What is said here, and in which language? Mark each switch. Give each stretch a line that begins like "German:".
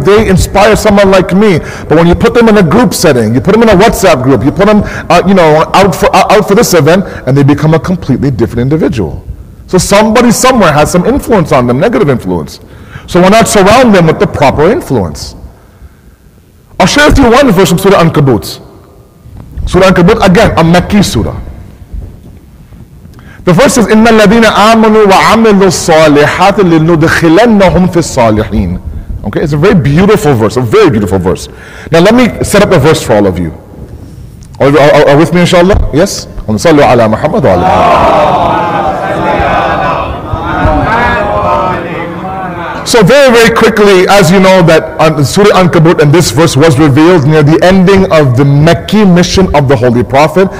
English: They inspire someone like me. But when you put them in a group setting, you put them in a WhatsApp group, you put them out for this event, and they become a completely different individual. So somebody somewhere has some influence on them, negative influence. So why not surround them with the proper influence? I'll share with you one verse from Surah Ankabut. Surah Ankabut, again, a Makki surah. The verse is,
Arabic: إِنَّ الَّذِينَ آمَنُوا وَعَمِلُوا الصَّالِحَاتِ لِلْنُدْخِلَنَّهُمْ فِي الصَّالِحِينَ.
English: Okay, it's a very beautiful verse, a very beautiful verse. Now let me set up a verse for all of you. Are with me, inshallah? Yes?
Arabic: Sallu ala Muhammad wa ala Muhammad.
English: So very, very quickly, as you know, that Surah Ankabut and this verse was revealed near the ending of the Mecca mission of the Holy Prophet.